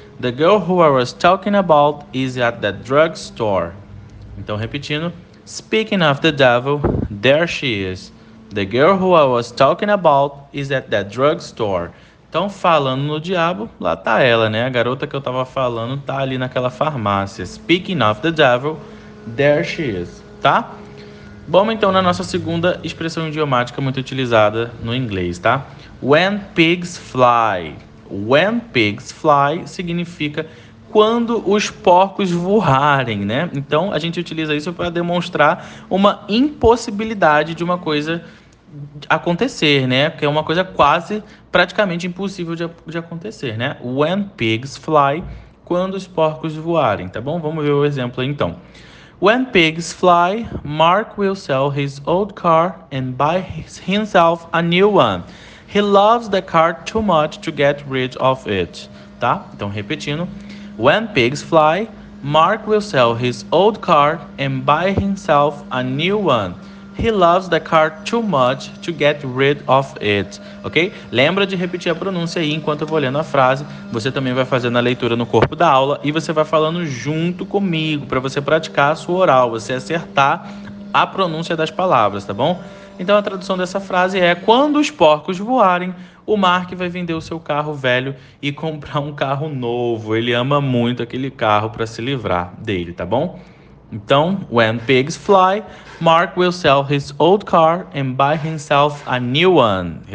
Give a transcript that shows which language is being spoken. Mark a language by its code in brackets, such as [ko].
[en] The girl who I was talking about is at the drugstore. [pt] Então, repetindo. [en] Speaking of the devil, there she is. The girl who I was talking about is at the drugstore. [pt] Então, falando no diabo, lá tá ela, né? A garota que eu tava falando tá ali naquela farmácia. [en] Speaking of the devil, there she is. Tá? [pt] Vamos então na nossa segunda expressão idiomática muito utilizada no inglês, tá? [en] When pigs fly. When pigs fly [pt] significa quando os porcos voarem, né? Então a gente utiliza isso para demonstrar uma impossibilidade de uma coisa acontecer, né? Que é uma coisa quase praticamente impossível de acontecer, né? [en] When pigs fly, [pt] quando os porcos voarem, tá bom? Vamos ver o exemplo aí, então. [en] When pigs fly, Mark will sell his old car and buy himself a new one. He loves the car too much to get rid of it. [pt] Tá? Então, repetindo. [en] When pigs fly, Mark will sell his old car and buy himself a new one. He loves the car too much to get rid of it. Ok? [pt] Lembra de repetir a pronúncia aí enquanto eu vou lendo a frase. Você também vai fazendo a leitura no corpo da aula e você vai falando junto comigo para você praticar a sua oral, você acertar a pronúncia das palavras, tá bom? Então, a tradução dessa frase é: quando os porcos voarem, o Mark vai vender o seu carro velho e comprar um carro novo. Ele ama muito aquele carro para se livrar dele, tá bom? [en] Então, when pigs fly, Mark will sell his old car and buy himself a new one.